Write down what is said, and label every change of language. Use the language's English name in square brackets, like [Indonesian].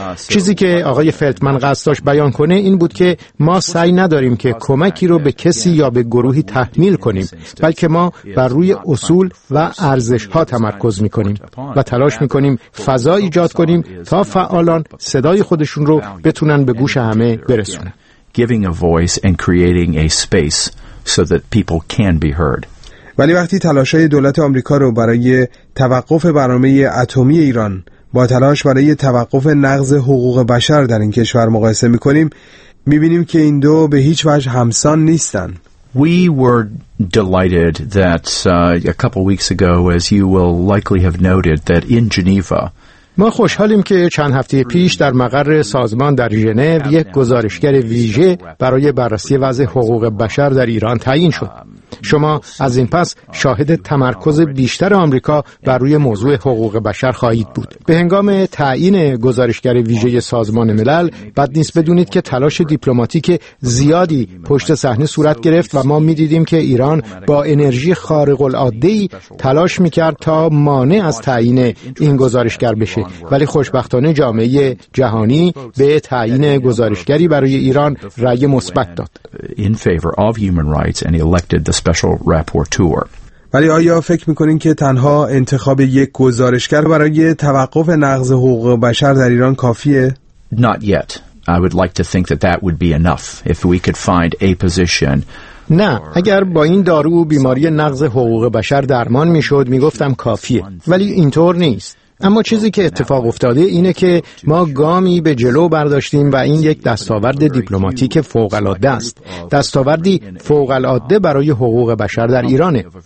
[Persian] چیزی که آقای فلتمن قصد داشت بیان کنه این بود که ما سعی نداریم که کمکی رو به کسی یا به گروهی تحمیل کنیم، بلکه ما بر روی اصول و ارزش‌ها تمرکز می‌کنیم و تلاش می‌کنیم فضا ایجاد کنیم تا فعالان صدای خودشون رو بتونن به گوش همه برسونن. [English] Giving a voice and creating a space so that people can be heard. [Persian] ولی وقتی تلاش‌های دولت آمریکا رو برای توقف برنامه اتمی ایران با تلاش برای توقف نقض حقوق بشر در این کشور مقایسه می‌کنیم، می‌بینیم که این دو به هیچ وجه همسان نیستن. [English] We were delighted that a couple weeks ago, as you will likely have noted, that in Geneva [Persian] ما خوشحالیم که چند هفته پیش در مقر سازمان در ژنو یک گزارشگر ویژه برای بررسی وضع حقوق بشر در ایران تعیین شد. شما از این پس شاهد تمرکز بیشتر آمریکا بر روی موضوع حقوق بشر خواهید بود. به هنگام تعیین گزارشگر ویژه سازمان ملل، بد نیست بدونید که تلاش دیپلماتیک زیادی پشت صحنه صورت گرفت و ما می‌دیدیم که ایران با انرژی خارق العاده‌ای تلاش می‌کرد تا مانع از تعیین این گزارشگر بشه، ولی خوشبختانه جامعه جهانی به تعیین گزارشگری برای ایران رأی مثبت داد. [English] The special rapporteur. [Persian] ولی آیا فکر میکنین که تنها انتخاب یک گزارشگر برای توقف نقض حقوق بشر در ایران کافیه؟ [English] Not yet. I would like to think that that would be enough if we could find a position. [Persian] نه، اگر با این دارو بیماری نقض حقوق بشر درمان میشد میگفتم کافیه، ولی اینطور نیست. اما چیزی که اتفاق افتاده اینه که ما گامی به جلو برداشتیم و این یک دستاورد دیپلماتیک فوق‌العاده است. دستاوردی فوق‌العاده برای حقوق بشر در ایرانه.